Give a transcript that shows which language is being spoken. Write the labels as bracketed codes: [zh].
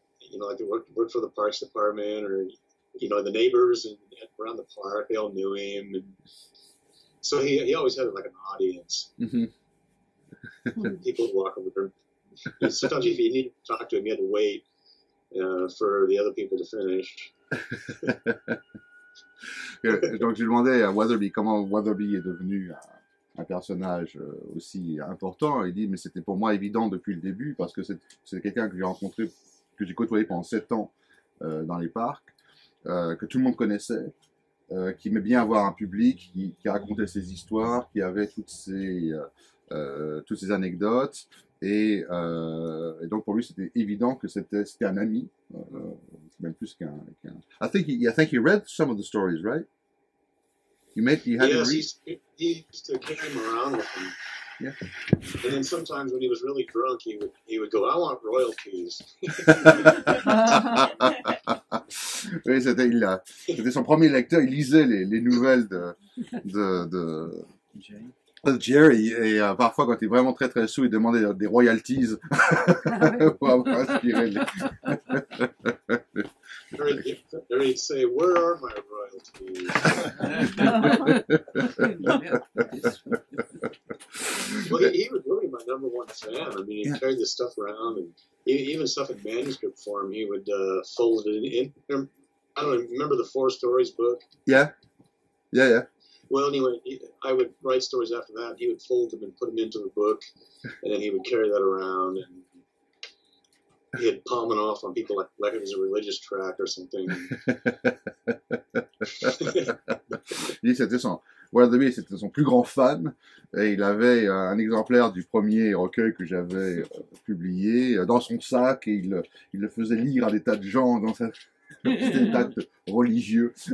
[en] You know, like worked for the parks department, or you know, the neighbors and around the park, they all knew him, and so he always had like an audience. Mm-hmm. People would walk over there. Sometimes if you needed to talk to him, you had to wait for the other people to finish. [fr] Donc je demandais à Weatherby comment Weatherby est devenu un personnage aussi important. Il dit, mais c'était pour moi évident depuis le début, parce que c'est quelqu'un que j'ai rencontré, que j'ai côtoyé pendant 7 ans dans les parcs, que tout le monde connaissait, qui aimait bien avoir un public, qui racontait ses histoires, qui avait toutes ses anecdotes. Et donc pour lui, c'était évident que c'était un ami, même plus qu'un... [en] I think he read some of the stories, right? He used to carry him around with him. Yeah. And then sometimes when he was really drunk, he would go, I want royalties. [fr] Oui, c'était son premier lecteur. Il lisait les nouvelles de Jerry, et parfois quand il est vraiment très très saoul, il demande des royalties pour avoir inspiré. [en] Jerry, Jerry, say, where are my royalties? Well, he was really my number one fan. I mean, he carried this stuff around, and even stuff in manuscript form, he would fold it in. I don't know, remember the Four Stories book? Yeah. Well, anyway, I would write stories after that. He would fold them and put them into the book, and then he would carry that around. And he'd palm it off on people like it was a religious tract or something. [fr] Il dit c'était son, voilà, lui c'était son plus grand fan, et il avait un exemplaire du premier recueil que j'avais publié dans son sac, et il le faisait lire à des tas de gens dans sa tête religieux.